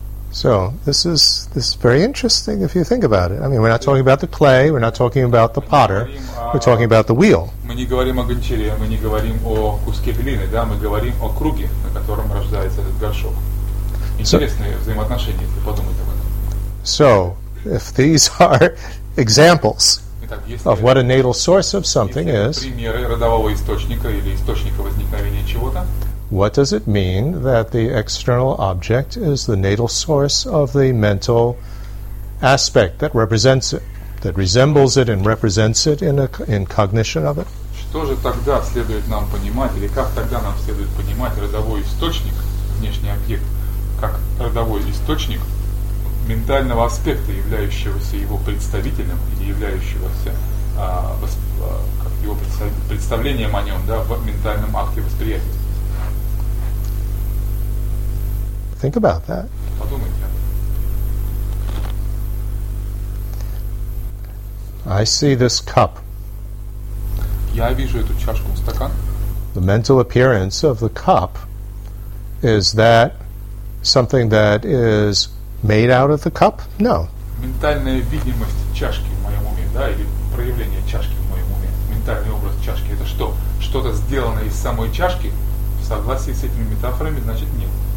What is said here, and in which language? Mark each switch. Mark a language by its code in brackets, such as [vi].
[en] So this is very interesting if you think about it. I mean, we're not talking about the clay, we're not talking about the potter, we're talking about the wheel. [ru] Мы не говорим о гончаре, мы не говорим о куске глины, да, мы говорим о круге, на котором рождается этот горшок. Интересные взаимоотношения, если подумать об этом. [en] So, if these are examples, [ru] там, [en] of what a natal source of something is, [ru] примеры родового источника или источника возникновения чего-то, [en] what does it mean that the external object is the natal source of the mental aspect that represents it, that resembles it and represents it in cognition of it? [ru] Что же тогда следует нам понимать, или как тогда нам следует понимать родовой источник, внешний объект, как родовой источник ментального аспекта, являющегося его представителем или являющегося как его представлением о нем, да, в ментальном акте восприятия? [en] Think about that. [ru] Подумайте. [en] I see this cup. [ru] Я вижу эту чашку, стакан. [en] The mental appearance of the cup is that something that is made out of the cup? No. [ru] Ментальная видимость чашки в моем уме, да, или проявление чашки в моем уме, ментальный образ чашки, это что? Что-то сделанное из самой чашки? В согласии с этими метафорами, значит, нет.